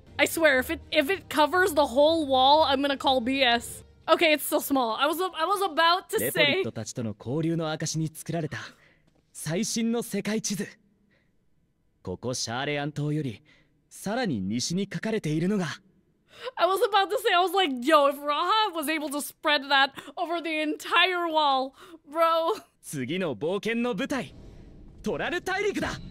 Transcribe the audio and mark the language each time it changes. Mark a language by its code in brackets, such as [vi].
[en] I swear, if it covers the whole wall, I'm gonna call BS. Okay, it's still small. I was about to say. [ja] レポリットたちとの交流の証に作られた最新の世界地図。ここシャーレアン島よりさらに西に書かれているのが。 [en] I was about to say, I was like, yo, if Raha was able to spread that over the entire wall, bro. [ja] 次の冒険の舞台、トラル大陸だ。